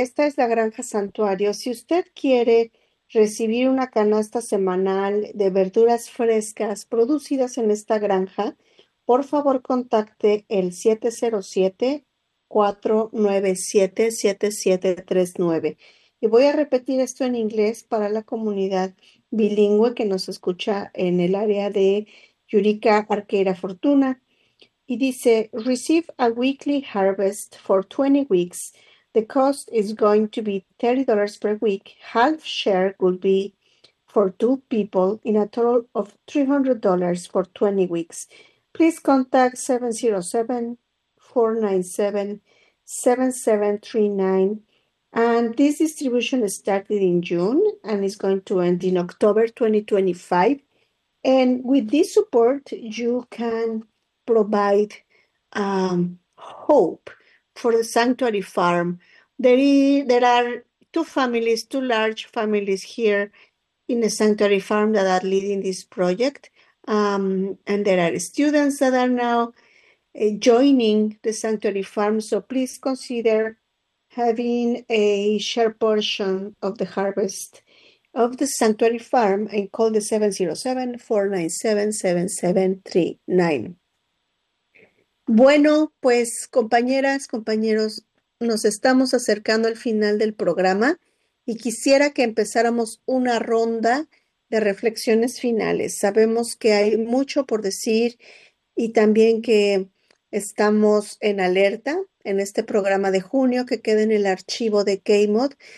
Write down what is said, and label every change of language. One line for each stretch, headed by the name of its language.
Spanish: Y esta es la Granja Santuario. Si usted quiere recibir una canasta semanal de verduras frescas producidas en esta granja, por favor contacte el 707-497-7739. Y voy a repetir esto en inglés para la comunidad bilingüe que nos escucha en el área de Yurika, Arqueira, Fortuna. Y dice,
English: receive a weekly harvest for 20 weeks. The cost is going to be $30 per week. Half share would be for two people in a total of $300 for 20 weeks. Please contact 707-497-7739. And this distribution started in June and is going to end in October 2025. And with this support, you can provide hope for the sanctuary farm. There are two families, two large families here in the sanctuary farm that are leading this project. And there are students that are now joining the sanctuary farm. So please consider having a share portion of the harvest of the sanctuary farm and call the 707-497-7739.
Spanish: Bueno, pues compañeras, compañeros, nos estamos acercando al final del programa y quisiera que empezáramos una ronda de reflexiones finales. Sabemos que hay mucho por decir y también que estamos en alerta en este programa de junio que queda en el archivo de KMOD.